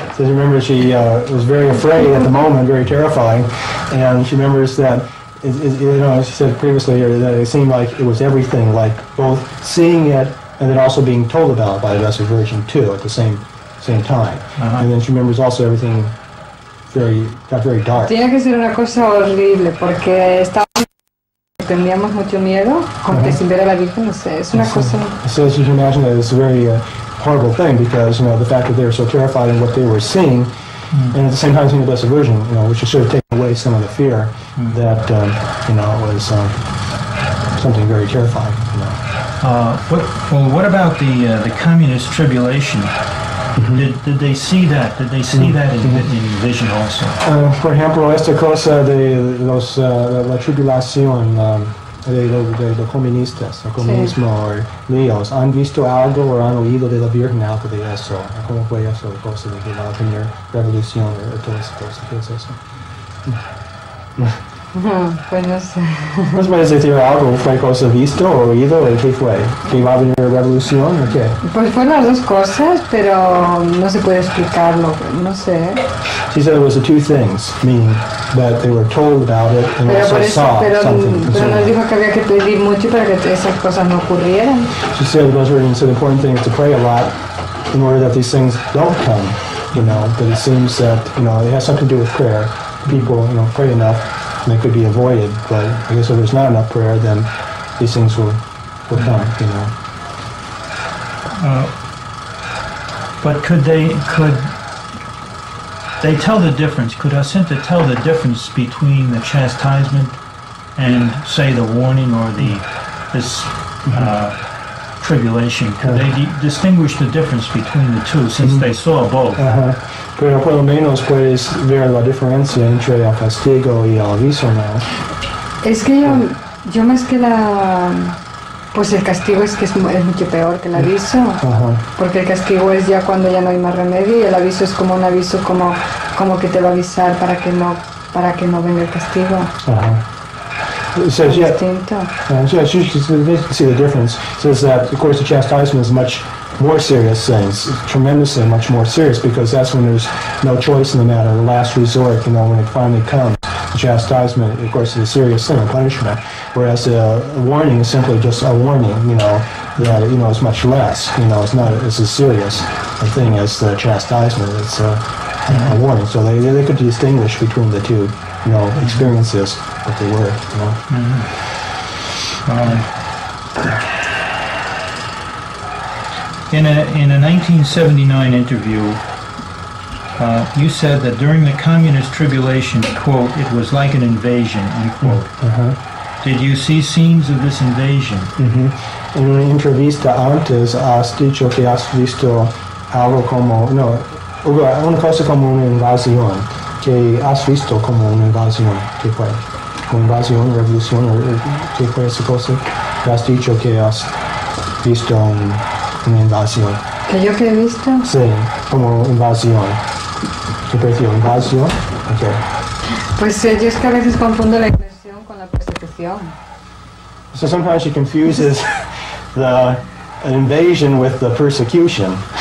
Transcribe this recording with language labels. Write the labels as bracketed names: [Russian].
[English] So she remembers she was very afraid at the moment, very terrifying, and she remembers that. As she said previously, that it seemed like it was everything, like both seeing it and then also being told about it by the Blessed Virgin too at the same time. Uh-huh. And then she remembers also everything got very dark. [Spanish] Tiene que ser una cosa horrible porque teníamos mucho miedo, aunque sin ver a la Virgen, no sé, es una cosa. [English] So she can imagine that it's a very horrible thing because, you know, the fact that they were so terrified in what they were seeing. Mm. And at the same time, seeing the Blessed Virgin, you know, which is sort of taking away some of the fear that, you know, was something very terrifying. You know. What about the communist tribulation? Mm-hmm. Did they see that? Did they see that in vision also? [Spanish] Por ejemplo, esta cosa de los la tribulación de los comunistas, el comunismo, sí. Or Leos, ¿han visto algo o han oído de la Virgen algo de eso? ¿Cómo fue eso, la cosa de que va a tener revolución o todas esas cosas? ¿Qué es eso? Pues no sé. ¿Puedes decir algo? ¿Fue cosa visto o oído? ¿Qué fue? ¿Que va a venir revolución o qué? Pues fueron las dos cosas, pero no se puede explicarlo. No sé. [English] She said it was the two things, meaning that they were told about it and [Spanish] pero [English] also [Spanish] eso, [English] saw [Spanish] pero, [English] something. [Spanish] Pero nos dijo que había que pedir mucho para que esas cosas no ocurrieran. [English] She said the Blessed Virgin said the important thing is to pray a lot in order that these things don't come, you know, but it seems that, you know, it has something to do with prayer. People, you know, pray enough and it could be avoided, but I guess if there's not enough prayer, then these things will come, you know. But could they tell the difference? Could Jacinta tell the difference between the chastisement and, say, the warning or this tribulation? Could they distinguish the difference between the two, since they saw both? Uh-huh. [Spanish] Pero por lo menos puedes ver la diferencia entre el castigo y el aviso, ¿no? Es que yo más que la... Pues el castigo es que es mucho peor que el aviso. Uh-huh. Porque el castigo es ya cuando ya no hay más remedio y el aviso es como un aviso como que te va a avisar para que no venga el castigo. [English] Uh-huh. It says, distinto. Yeah, she can see the difference. It says that, of course, the chastisement is much more serious things, tremendously much more serious, because that's when there's no choice in the matter, the last resort, you know, when it finally comes, the chastisement, of course, is a serious thing, a punishment, whereas a warning is simply just a warning, you know, that, you know, it's much less, you know, it's not as serious a thing as the chastisement, it's a warning, so they could distinguish between the two, you know, experiences that they were, you know. Mm-hmm. In a 1979 interview, you said that during the communist tribulation, quote, it was like an invasion, unquote. Uh-huh. Did you see scenes of this invasion? [Spanish] In una entrevista antes, has dicho que has visto algo como, no, una cosa como una invasión, que has visto como una invasión, que fue, una invasión, revolución, que fue esa cosa, que has dicho que has visto una invasión. ¿Que yo que he visto? Sí, como invasión. ¿Qué prefiero? ¿Invasión? Ok. Pues yo es que a veces confundo la invasión con la persecución. [English] So sometimes she confuses the invasion with the persecution.